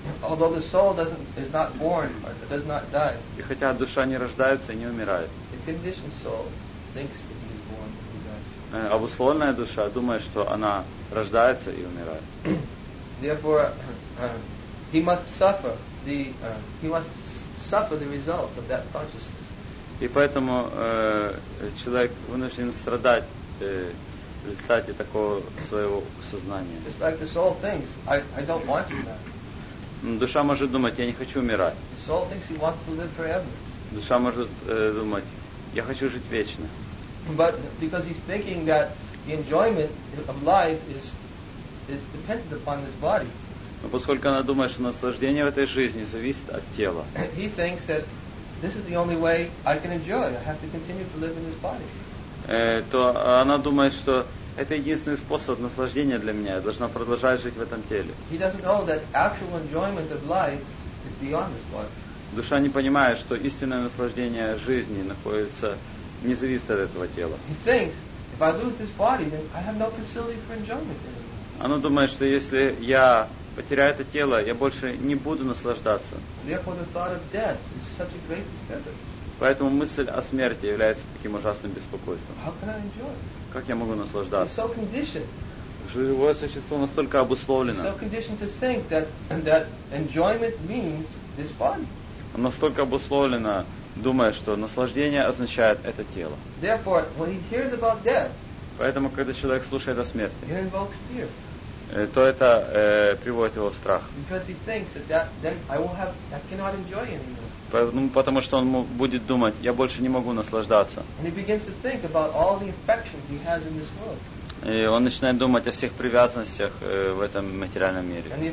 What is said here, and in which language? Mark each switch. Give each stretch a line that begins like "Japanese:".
English: Although the soul is not born or does not die.
Russian: И хотя душа не рождается и не умирает.
English: The conditioned soul thinks that it is born and dies.
Russian: Обусловленная душа думает, что она рождается и умирает.
English: Therefore, he must suffer the results of that consciousness.
Russian: И поэтому человек вынужден страдать в результате такого своего сознания.
English: It's like the soul thinks, I don't want to die.
Russian: Душа может думать, я не хочу умирать.
English: The soul thinks he wants to live forever.
Russian: Душа может думать, я хочу жить вечно.
English: But because he's thinking that the enjoyment of life is is dependent upon this body.
Russian: Но поскольку она думает, что наслаждение в этой жизни зависит от тела.
English: He thinks that this is the only way I can enjoy. I have to continue to live in this body.
Russian: То она думает, что это единственный способ наслаждения для меня. Я должна продолжать жить в этом теле.
English: He doesn't know that actual enjoyment of life is beyond this body.
Russian: Душа не понимает, что истинное наслаждение жизни находится не зависит от этого тела.
English: He thinks if I lose this body, then I have no facility for enjoyment anymore.
Russian: Она думает, что если я потеряю это тело, я больше не буду наслаждаться.
English: Therefore, the thought of death is such a great disturbance.
Russian: Поэтому мысль о смерти является таким ужасным беспокойством.
English: How can I enjoy?
Russian: Как я могу наслаждаться?
English: It's so conditioned.
Russian: Живое существо настолько обусловлено.
English: It's so conditioned to think that that enjoyment means this body.
Russian: Настолько обусловлено, думая, что наслаждение означает это тело.
English: Therefore, when he hears about death,
Russian: поэтому, когда человек слушает о смерти,
English: he invokes fear.
Russian: То это приводит его в страх.
English: Because he thinks that then I will have, I cannot enjoy anymore.
Russian: Потому что он будет думать, я больше не могу наслаждаться. И он начинает думать о всех привязанностях в этом материальном мире.